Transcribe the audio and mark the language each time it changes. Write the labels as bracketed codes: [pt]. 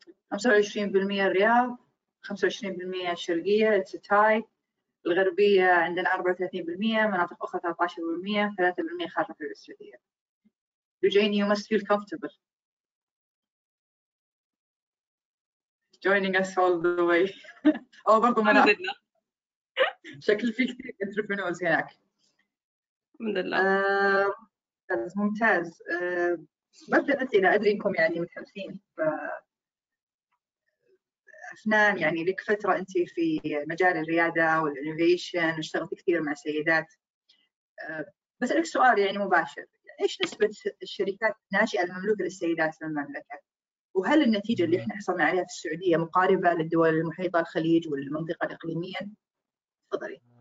[ar] خمسة وعشرين بالمئة الرياض، 25% الشرقية الستاي، الغربية عندنا 34%، مناطق أخرى 13%، 3% خارج السعودية. [en] Eugene, you must feel comfortable joining us all the way. [ar] أو برضو منا. الحمد لله. شكل في كثير entrepreneurs هناك. الحمد لله. ممتاز. بدأ أسئلة، أدري إنكم يعني متحمسين. أفنان يعني لك فترة أنت في مجال الريادة والإنوفيشن واشتغلت كثير مع سيدات، بس لك سؤال يعني مباشر، إيش نسبة الشركات الناشئة المملوكة للسيدات في المملكة؟ وهل النتيجة اللي إحنا حصلنا عليها في السعودية مقاربة للدول المحيطة الخليج والمنطقة الإقليمية؟ تفضلي.